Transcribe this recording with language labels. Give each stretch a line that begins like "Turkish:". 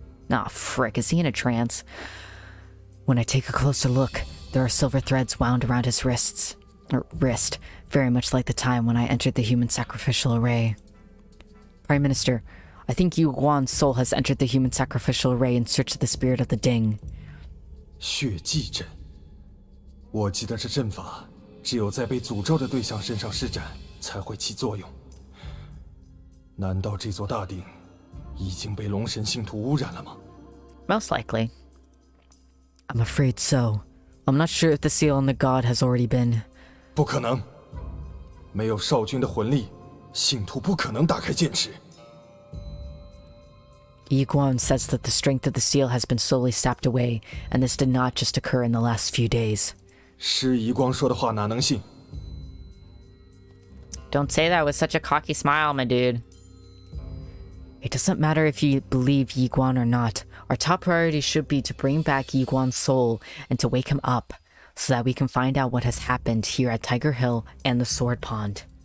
English: Ah, frick, is he in a trance? When I take a closer look, there are silver threads wound around his wrist, very much like the time when I entered the human sacrificial array. Prime Minister, I think Yu Guan's soul has entered the human sacrificial array in search of the spirit of the Ding.
Chinese: 血祭阵。我记得这阵法, 只有在被诅咒的对象身上施展, 才会起作用。难道这座大鼎, 已经被龙神信徒污染了吗?
English: Most likely. I'm afraid so. I'm not sure if the seal on the god has already been...
Chinese: 不可能! 没有少君的魂力, 信徒不可能打开剑池。
English: Yiguan says that the strength of the seal has been slowly sapped away, and this did not just occur in the last few days.
Chinese: 师夷光说的话哪能信?
English: Don't say that with such a cocky smile, my dude. It doesn't matter if you believe Yiguan or not. Our top priority should be to bring back Yiguan's soul and to wake him up, so that we can find out what has happened here at Tiger Hill and the Sword Pond.